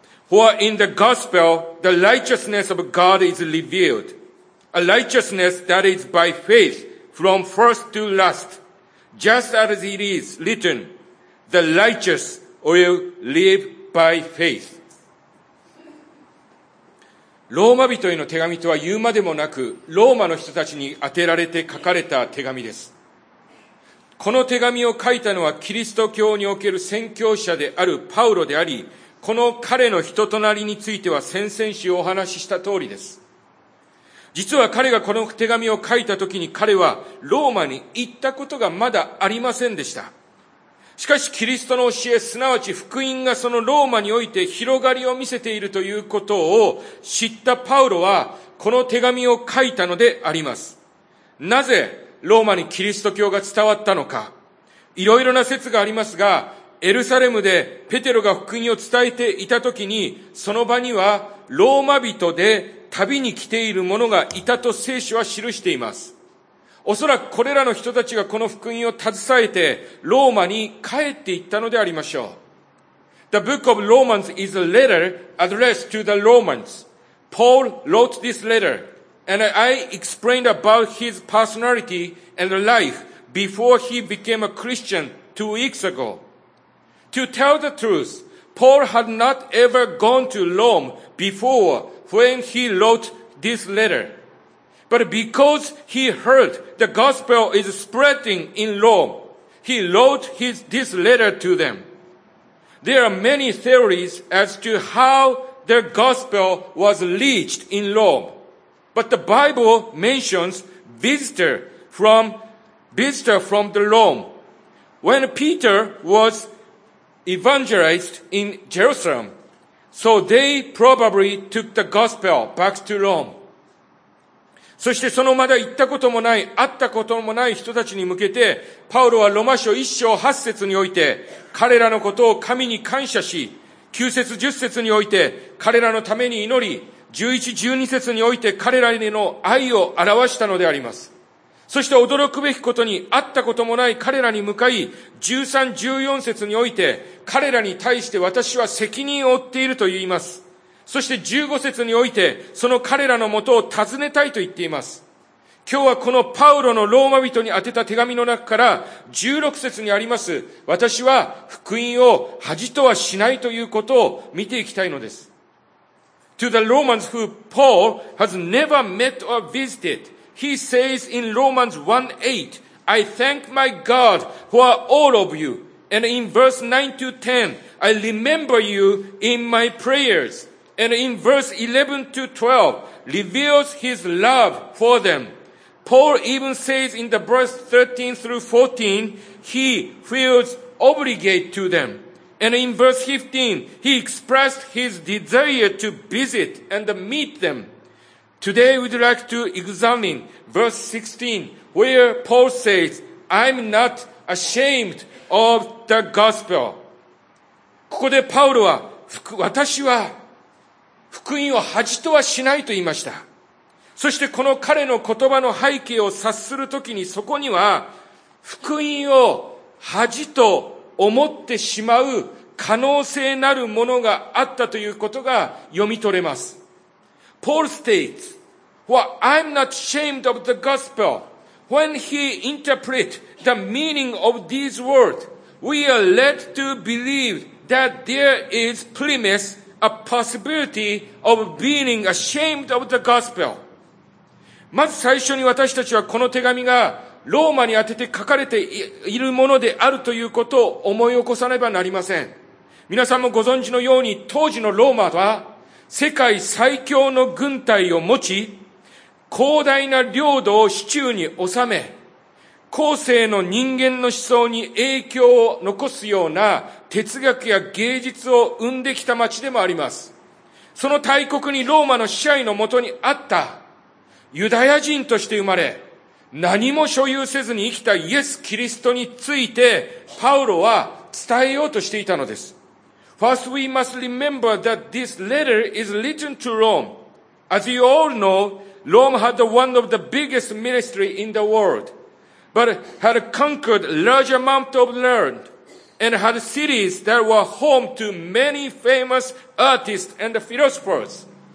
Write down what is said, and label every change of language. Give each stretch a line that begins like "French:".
English: For in the gospel, the righteousness of God is revealed, a righteousness that is by faith from first to last, just as it is written, the righteous will live by faith.
Japanese: ローマ人への手紙とは言うまでもなく、ローマの人たちに宛てられて書かれた手紙です。この手紙を書いたのはキリスト教における宣教者であるパウロであり、この彼の人となりについては先々週お話しした通りです。実は彼がこの手紙を書いたときに、彼はローマに行ったことがまだありませんでした。しかしキリストの教え、すなわち福音がそのローマにおいて広がりを見せているということを知ったパウロはこの手紙を書いたのであります。なぜローマにキリスト教が伝わったのか、いろいろな説がありますが、エルサレムでペテロが福音を伝えていたときに、その場にはローマ人で旅に来ている者がいたと聖書は記しています。おそらくこれらの人たちがこの福音を携えてローマに帰っていったのでありましょう。
English: The book of Romans is a letter addressed to the Romans. Paul wrote this letter, and I explained about his personality and life before he became a Christian 2 weeks ago. To tell the truth, Paul had not ever gone to Rome before when he wrote this letter. But because he heard the gospel is spreading in Rome, he wrote this letter to them. There are many theories as to how the gospel was reached in Rome. But the Bible mentions visitor from the Rome. When Peter was evangelized in Jerusalem, so they probably took the gospel back to Rome.
Japanese: そしてそのまだ行ったこともない、会ったこともない人たちに向けて、パウロはロマ書1章8節において、彼らのことを神に感謝し、9節10節において、彼らのために祈り、11、12節において、彼らへの愛を表したのであります。そして驚くべきことに、会ったこともない彼らに向かい、13、14節において、彼らに対して私は責任を負っていると言います。そして15節においてその彼らのもとを訪ねたいと言っています。今日はこのパウロのローマ人に宛てた手紙の中から16節にあります、私は福音を恥とはしないということを見ていきたいのです。
English: To the Romans who Paul has never met or visited, he says in Romans 1:8, I thank my God for all of you, and in verse 9-10, I remember you in my prayers. And in verse 11 to 12, reveals his love for them. Paul even says in the verse 13 through 14, he feels obligated to them. And in verse 15, he expressed his desire to visit and meet them. Today we'd like to examine verse 16, where Paul says, I'm not ashamed of the gospel.
Japanese: ここでパウロは、私は福音を恥とはしないと言いました。そしてこの彼の言葉の背景を察するときに、そこには福音を恥と思ってしまう可能性なるものがあったということが読み取れます。
English: Paul states, well, I'm not ashamed of the gospel. When he interprets the meaning of these words, we are led to believe that there is premise, a possibility of being ashamed of the gospel.
Japanese: まず最初に私たちはこの手紙がローマに当てて書かれているものであるということを思い起こさねばなりません。皆さんもご存知のように、当時のローマは世界最強の軍隊を持ち、広大な領土を手中に収め、後世の人間の思想に影響を残すような哲学や芸術を生んできた町でもあります。その大国にローマの支配のもとにあったユダヤ人として生まれ、何も所有せずに生きたイエス・キリストについてパウロは伝えようとしていたのです。
English: First, we must remember that this letter is written to Rome. As you all know, Rome had one of the biggest ministry in the world, but had conquered large amount of land and had cities that were home to many famous artists and philosophers.